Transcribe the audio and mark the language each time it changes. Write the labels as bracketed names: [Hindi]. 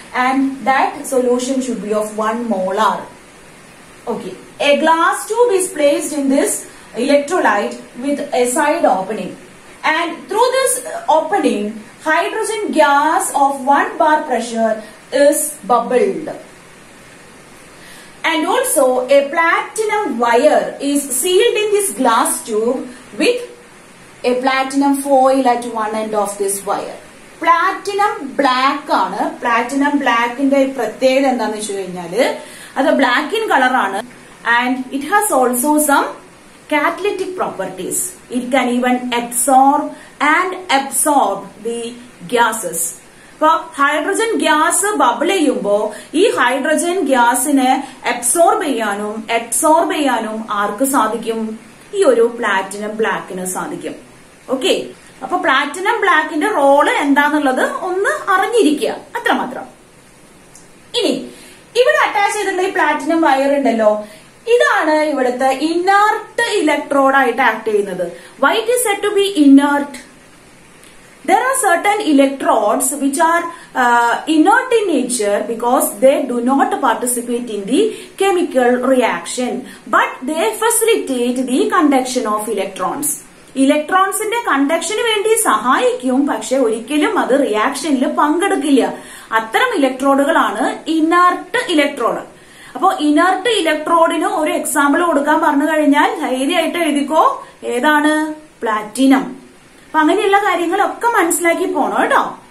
[English] And that solution should be of 1 molar. Okay, a glass tube is placed in this electrolyte with a side opening. And through this opening hydrogen gas of 1 bar pressure is bubbled. And also a platinum wire is sealed in this glass tube with a platinum foil at one end of this wire. [Malayalam] Platinum black ആണ്. Platinum black ന്റെ പ്രത്യേകത എന്താന്ന് വെച്ച് കഴിഞ്ഞാൽ അത് [English] black in color [Malayalam] ആണ്. [English] And it has also some catalytic properties. It can even absorb and absorb the gases. [Malayalam] അപ്പൊ hydrogen gas bubble ചെയ്യുമ്പോ ഈ ഹൈഡ്രജൻ ഗ്യാസിനെ അബ്സോർബ് ചെയ്യാനും ആർക്ക് സാധിക്കും? ഈ ഒരു പ്ലാറ്റിനം ബ്ലാക്കിന് സാധിക്കും. ഓക്കെ, അപ്പൊ പ്ലാറ്റിനം ബ്ലാക്കിന്റെ റോള് എന്താന്നുള്ളത് ഒന്ന് അറിഞ്ഞിരിക്കുക, അത്രമാത്രം. ഇനി ഇവിടെ അറ്റാച്ച് ചെയ്തിട്ടുള്ള ഈ പ്ലാറ്റിനം വയർ ഉണ്ടല്ലോ, ഇതാണ് ഇവിടുത്തെ ഇനർട്ട് ഇലക്ട്രോഡായിട്ട് ആക്ട് ചെയ്യുന്നത്. [English] Why it is said to be inert? There are certain electrodes which are inert in nature because they do not participate in the chemical reaction, but they facilitate the conduction of electrons. [Malayalam] Electrons ന്റെ കണ്ടക്ഷന് വേണ്ടി സഹായിക്കും പക്ഷേ ഒരിക്കലും അത് റിയാക്ഷനിൽ പങ്കെടുക്കില്ല അത്തരം ഇലക്ട്രോഡുകളാണ് inert electrode അപ്പോ inert ഇലക്ട്രോഡിന് ഒരു example കൊടുക്കാൻ പറഞ്ഞു കഴിഞ്ഞാൽ ധൈര്യമായിട്ട് എഴുതിക്കോ ഏതാണ് പ്ലാറ്റിനം അപ്പൊ അങ്ങനെയുള്ള കാര്യങ്ങളൊക്കെ മനസ്സിലാക്കി പോണോ കേട്ടോ